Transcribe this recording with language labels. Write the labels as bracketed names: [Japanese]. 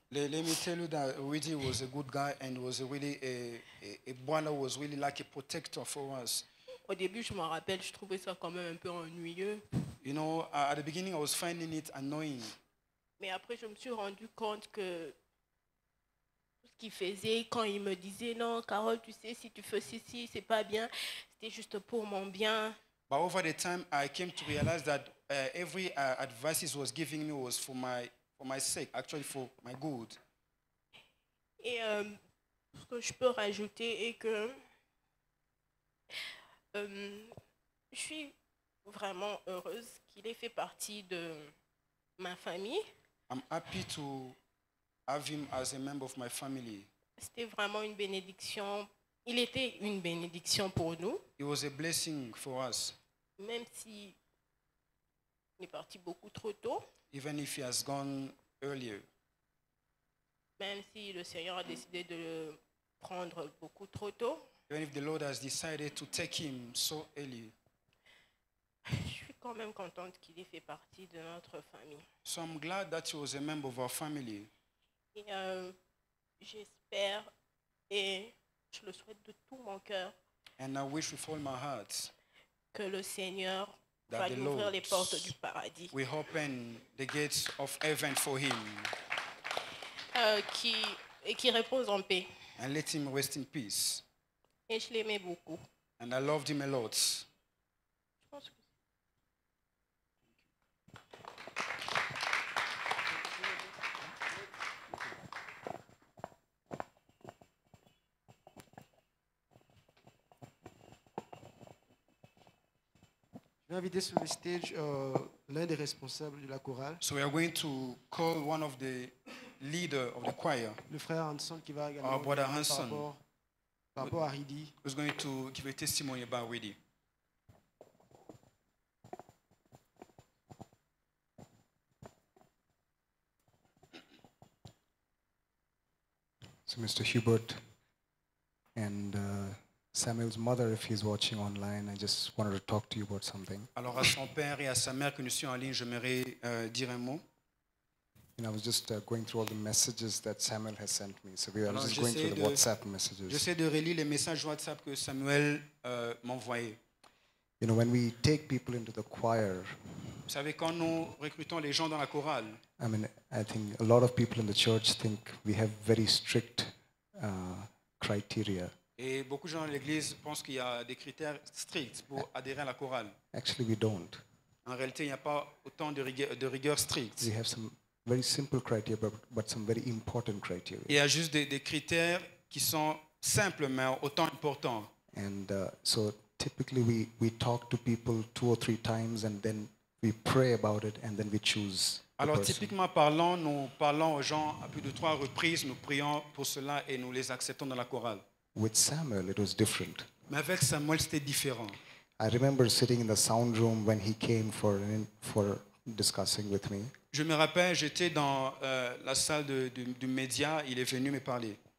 [English] Let me tell you that Rudy was a good guy and was really a brother, was really like a protector for us. [French] Au début, je me rappelle, je trouvais ça quand même un peu ennuyeux. [English] You know, at the beginning, I was finding it annoying. [French] Mais après, je me suis rendu compte que tout ce qu'il faisait, quand il me disait non, Carole, tu sais, si tu fais ceci, c'est pas bien. C'était juste pour mon bien. [English] But over the time, I came to realize that every advice he was giving me was for my sake, actually for my good. [French] Et ce que je peux rajouter est que je suis vraiment heureuse qu'il ait fait partie de ma famille. [English] I'm happy to have him as a member of my family. [French] C'était vraiment une bénédiction. Il était une bénédiction pour nous. [English] He was a blessing for us. [French] Même si il est parti beaucoup trop tôt. [English] Even if he has gone earlier. [French] Même si le Seigneur a décidé de le prendre beaucoup trop tôt. [English] Even if the Lord has decided to take him so early. [French] Je suis quand même contente qu'il ait fait partie de notre famille. [English] So I'm glad that he was a member of our family. [French] Et j'espère et je le souhaite de tout mon cœur. [English] And I wish with all my heart [French] que le Seigneur va lui ouvrir les portes du paradis. [English] We open the gates of heaven for him. [French] Qui repose en paix. [English] And let him rest in peace. [French] Et je l'aimais beaucoup. [English] And I loved him a lot. [French] Je vais inviter sur le stage l'un des responsables de la chorale. [English] So we are going to call one of the leader of the choir. [French] Le frère Hanson qui va également. [English] Our brother Hanson. [French] Par rapport à Rudy. [English] Who's going to give a testimony about Rudy. So Mr. Hubert and Samuel's mother, if he's watching online, I just wanted to talk to you about something. [French] Alors à son père et à sa mère que nous sommes en ligne, j'aimerais dire un mot. [English] And I was just going through all the messages that Samuel has sent me. So we are just going through the WhatsApp messages. [French] J'essaie de relire les messages WhatsApp que Samuel m'envoyait. [English] You know, when we take people into the choir, [French] Vous savez, quand nous recrutons les gens dans la chorale, [English] I mean, I think a lot of people in the church think we have very strict criteria. [French] Et beaucoup de gens dans l'église pensent qu'il y a des critères stricts pour adhérer à la chorale. [English] Actually, we don't. [French] En réalité, il n'y a pas autant de rigueur stricte. [English] We have some very simple criteria, but some very important criteria. [French] Il y a juste des critères qui sont simples, mais autant importants. [English] And so typically we talk to people two or three times and then we pray about it and then we choose. [French] Alors typiquement parlant, nous parlons aux gens à plus de trois reprises, nous prions pour cela et nous les acceptons dans la chorale. [English] With Samuel, it was different. [French] Mais avec Samuel, c'était différent. [English] I remember sitting in the sound room when he came for discussing with me. [French] Je me rappelle, j'étais dans la salle du média, il est venu me parler.